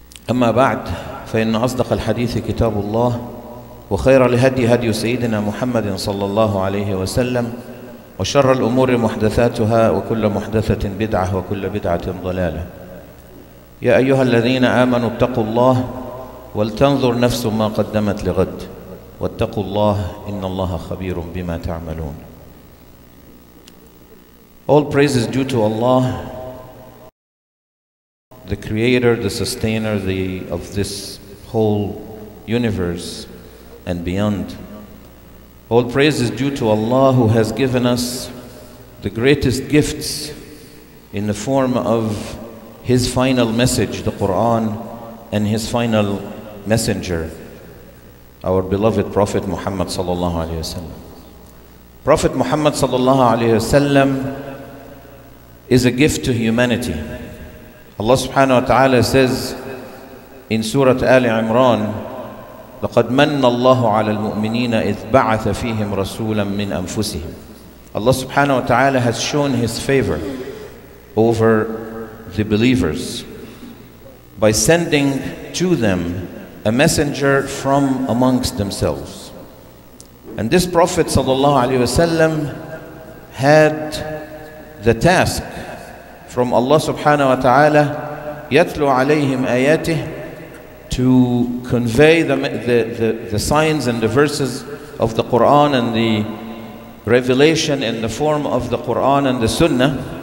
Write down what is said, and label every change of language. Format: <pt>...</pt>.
<ar>أما بعد، فإن أصدق الحديث كتاب الله، وخير الهدي هدي سيدنا محمد صلى الله عليه وسلم، وشر الأمور محدثاتها، وكل محدثة بدعة، وكل بدعة ضلالة. يا أيها الذين آمنوا اتقوا الله ولتنظر نفس ما قدمت لغد، واتقوا الله إن الله خبير بما تعملون.</ar> <en>All praise is due to Allah, the creator, the sustainer of this whole universe and beyond. All praise is due to Allah, who has given us the greatest gifts in the form of His final message, the Quran, and His final messenger, our beloved Prophet Muhammad sallallahu alaihi wasallam. Prophet Muhammad sallallahu alaihi wasallam is a gift to humanity. Allah subhanahu wa ta'ala says in Surah Ali Imran,</en> <ar>لَقَدْ مَنَّ اللَّهُ عَلَى الْمُؤْمِنِينَ إِذْ بَعَثَ فِيهِمْ رَسُولًا مِّنْ أَنفُسِهِمْ.</ar> <en>Allah subhanahu wa ta'ala has shown His favor over the believers by sending to them a messenger from amongst themselves. And this Prophet sallallahu alayhi wasallam had the task from Allah subhanahu wa ta'ala,</en> <ar>يَتْلُوا عَلَيْهِمْ آيَاتِهِ,</ar> <en>to convey the signs and the verses of the Quran and the revelation in the form of the Quran and the Sunnah,</en>